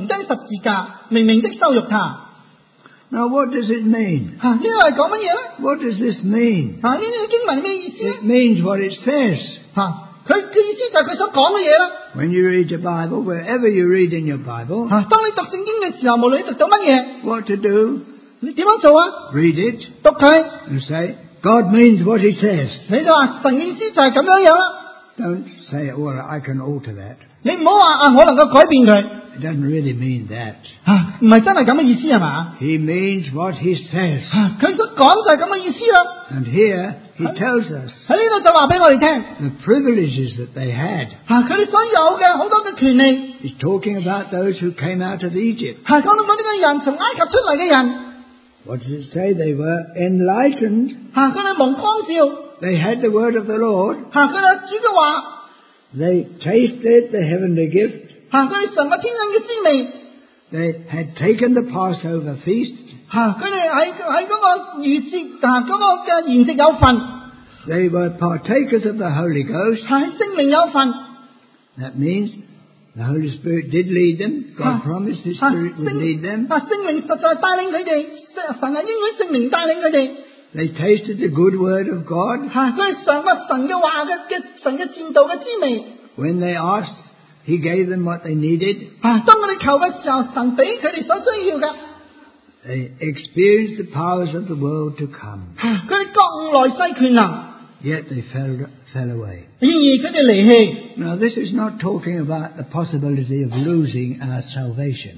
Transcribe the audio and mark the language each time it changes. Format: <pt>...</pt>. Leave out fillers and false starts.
<zh>论到那些已经蒙了光照，尝过天恩滋味，又于圣灵有份，并尝过神善道的滋味，各悟来世全能的人，若是离弃道理，就不能叫他们重新懊悔了，因为他们把神的儿子重钉十字架，明明的羞辱他。</zh> <en>Now what does it mean?</en> <zh>这是说什么呢?</zh> <en>What does this mean?</en> <zh>这经文什么意思呢?</zh> <en>It means what it says.</en> <zh>它的意思就是它所说的东西。</zh> <en>When you read your Bible, wherever you read in your Bible,</en> <zh>当你读圣经的时候，无论你读到什么,</zh> <en>what to do?</en> <zh>你怎么做啊?</zh> <en>Read it.</en> <zh>读它,</zh> <en>and say, God means what he says.</en> <zh>你就说,</zh> <en>don't say, well, I can alter that.</en> <zh>你不要说,</zh> <en>it doesn't really mean that.</en> <zh>不是真的这样的意思吗?</zh> <en>He means what he says.</en> <zh>他所说就是这样的意思了。</zh> <en>And here he tells us</en> <zh>在这里就告诉我们,</zh> <en>the privileges that they had.</en> <zh>他们所有的很多的权利,</zh> <en>he's talking about those who came out of Egypt.</en> <zh>他说那些人,</zh> <en>what does it say? They were enlightened.</en> <zh>他们蒙光照,</zh> <en>they had the word of the Lord.</en> <zh>他们主的话,</zh> <en>they tasted the heavenly gift.</en> <zh>他们尝过天恩的滋味,</zh> <en>they had taken the Passover feast.</en> <zh>他们在那个月节,那个筵席有份,</zh> <en>they were partakers of the Holy Ghost.</en> <zh>他们圣灵有份,</zh> <en>that means the Holy Spirit did lead them. God promised His Spirit would lead them.</en> <zh>圣灵实在带领他们,</zh> <en>they tasted the good word of God.</en> <zh>他们尝过神的话的神的善道的滋味,</zh> <en>when they asked, He gave them what they needed.</en> <zh>当他们求的时候,</zh> <en>they experienced the powers of the world to come.</en> <zh>他们各悟来世权能,</zh> <en>yet they fell away.</en> <zh>然而他们离弃,</zh> <en>now this is not talking about the possibility of losing our salvation.</en>